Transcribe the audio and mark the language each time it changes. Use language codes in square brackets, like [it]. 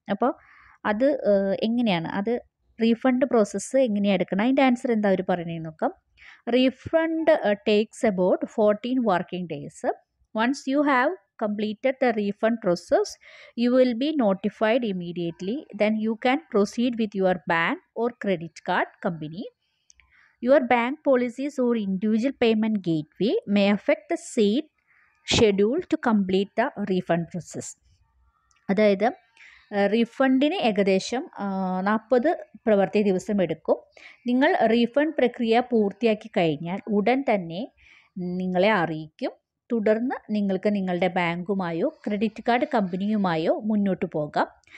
[ml] അപ്പോൾ അത് എങ്ങനെയാണ്, അത് റീഫണ്ട് പ്രോസസ്സ് എങ്ങനെയാണ് എടുക്കണം, അതിൻ്റെ ആൻസർ എന്താ അവർ പറയണേ നോക്കാം. [en] Refund takes about 14 working days. Once you have completed the refund process, you will be notified immediately, then you can proceed with your bank or credit card company. Your bank policies or individual payment gateway may affect the seat schedule to complete the refund process. [ml] അതായത് റീഫണ്ടിന് ഏകദേശം 40 പ്രവൃത്തി ദിവസം എടുക്കും. നിങ്ങൾ refund പ്രക്രിയ പൂർത്തിയാക്കി കഴിഞ്ഞാൽ ഉടൻ തന്നെ നിങ്ങളെ അറിയിക്കും. തുടർന്ന് നിങ്ങൾക്ക് നിങ്ങളുടെ ബാങ്കുമായോ ക്രെഡിറ്റ് കാർഡ് കമ്പനിയുമായോ മുന്നോട്ട് പോകാം.